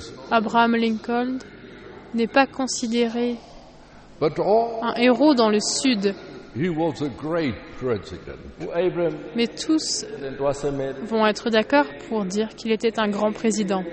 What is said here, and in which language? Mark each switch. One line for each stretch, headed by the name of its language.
French: Abraham Lincoln n'est pas considéré un héros dans le Sud.
English: He was a great president.
French: Mais tous vont être d'accord pour dire qu'il était un grand président.